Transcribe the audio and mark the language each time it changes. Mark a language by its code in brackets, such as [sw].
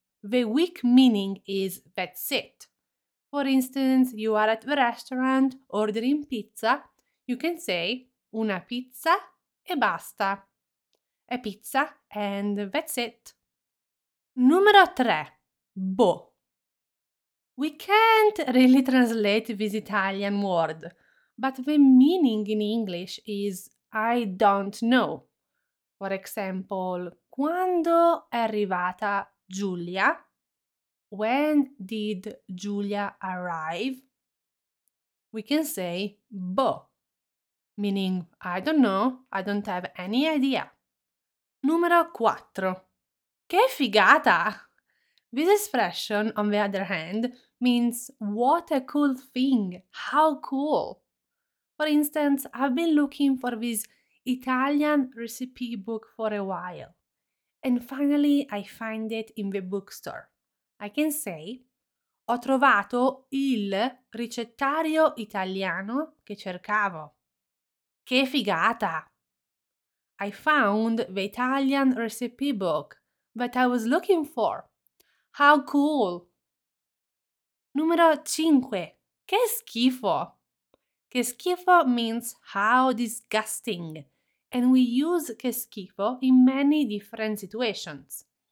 [en] The weak meaning is that's it. For instance, you are at the restaurant ordering pizza, you can say [it] una pizza e basta. [en] A pizza and that's it. [it] Numero 3. [en] Boh. We can't really translate this Italian word, but the meaning in English is I don't know. For example, [it] quando è arrivata Giulia? [en] When did Giulia arrive? We can say boh, meaning I don't know, I don't have any idea. [it] Numero 4. Che figata! [en] This expression, on the other hand, means what a cool thing, how cool. For instance, I've been looking for this Italian recipe book for a while, and finally I find it in the bookstore. I can say, [it] ho trovato il ricettario italiano che cercavo. Che figata! [en] I found the Italian recipe book that I was looking for. How cool! [it] Numero 5. [en] Che schifo! Che schifo means how disgusting, and we use che schifo in many different situations.